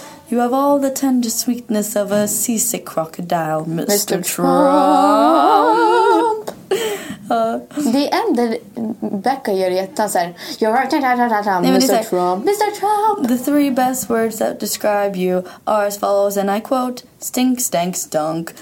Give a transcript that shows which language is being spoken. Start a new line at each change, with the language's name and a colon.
English: You have all the tender sweetness of a seasick crocodile. Mr. Trump.
Swedish: Det är en där Becca gör jättan såhär.
English: Mr. Trump. The three best words that describe you are as follows, and I quote, stink, stank, stunk,